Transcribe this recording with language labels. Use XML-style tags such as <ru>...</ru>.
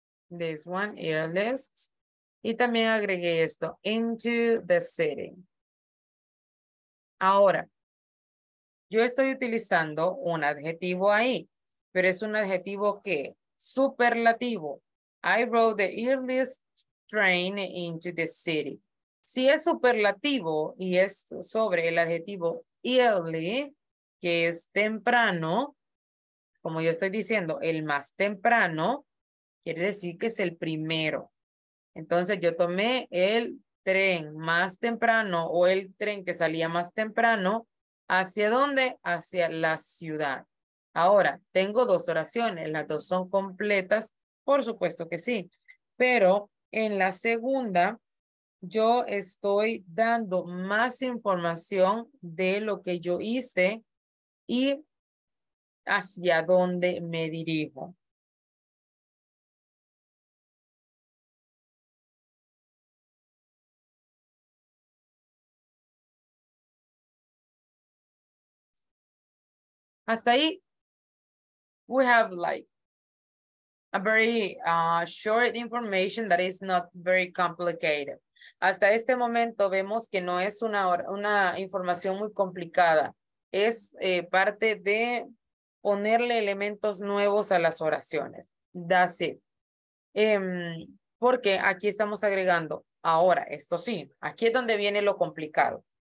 <en>This one, earliest.</en> <es>Y también agregué esto,</es> <en>into the city.</en> <es>Ahora. Yo estoy utilizando un adjetivo ahí, pero es un adjetivo que superlativo.</es> <en>I rode the earliest train into the city.</en> <es>Si es superlativo y es sobre el adjetivo early, que es temprano, como yo estoy diciendo, el más temprano, quiere decir que es el primero. Entonces yo tomé el tren más temprano o el tren que salía más temprano. ¿Hacia dónde? Hacia la ciudad. Ahora, tengo dos oraciones. ¿Las dos son completas? Por supuesto que sí. Pero en la segunda, yo estoy dando más información de lo que yo hice y hacia dónde me dirijo. Hasta ahí,</es> <en>we have like a very short information that is not very complicated.</en> <es>Hasta este momento vemos que no es una información muy complicada. Es parte de ponerle elementos nuevos a las oraciones.</es> <en>That's it.</en> <es>Porque aquí estamos agregando ahora, esto sí, aquí es donde viene lo complicado.</es>